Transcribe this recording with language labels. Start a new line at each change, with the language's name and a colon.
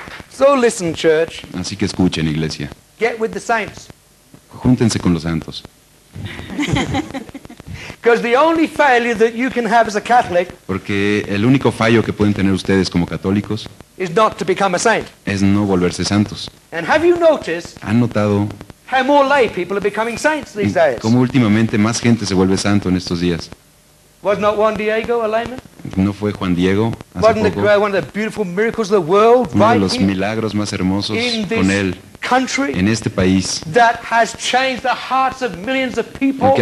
English: So listen, church.
Spanish: Así que escuchen, iglesia.
English: Get with the saints.
Spanish: Júntense con los santos.
English: Because the only failure that you can have as a Catholic,
Spanish: porque el único fallo que pueden tener ustedes como católicos,
English: is not to become a saint.
Spanish: Es no volverse santos.
English: And have you noticed,
Spanish: ¿han notado,
English: how more lay people are becoming saints these days?
Spanish: Cómo últimamente más gente se vuelve santo en estos días.
English: Was not Juan Diego a layman?
Spanish: ¿No fue Juan Diego hace
English: wasn't
Spanish: poco?
English: The, one of the beautiful miracles of the world,
Spanish: uno de los milagros más hermosos con él.
English: Country,
Spanish: en este país,
English: that has changed the hearts of millions of people,